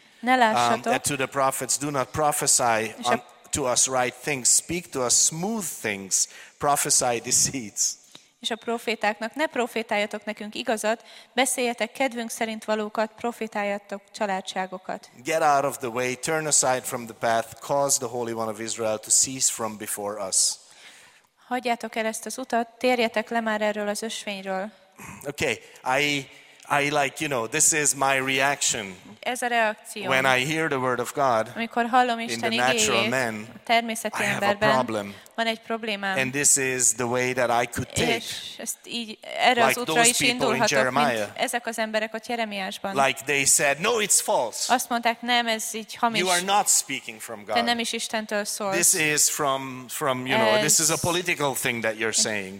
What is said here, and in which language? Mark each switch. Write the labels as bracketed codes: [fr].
[hu] Ne lássatok. [en] And to the prophets, do not prophesy. To us right things, speak to us smooth things, prophesy deceits. [hu] És a profétáknak, ne profétáljatok nekünk igazat, beszéljetek kedvünk szerint valókat, profétáljatok csalátságokat. [en] Get out of the way, turn aside from the path, cause the Holy One of Israel to cease from before us. [hu] Hagyjátok el ezt az utat, térjetek le már erről az ösvényről. [en] Okay, I this is my reaction. [hu] Ez a reakció. [en] When I hear the word of God, [hu] amikor hallom Isten igéjét, [en] in the natural man, [hu] a természeti emberben, van egy problémám. [en] And this is the way that I could take. [hu] És ezt így, erre [en] like [hu] az útra is indulhatok, mint ezek az emberek ott Jeremiásban. [en] Like they said, no, it's false. [hu] Azt mondták, nem, ez így hamis. [en] You are not speaking from God. [hu] Te nem is Istentől szólsz. [en] This is this is a political thing that you're saying.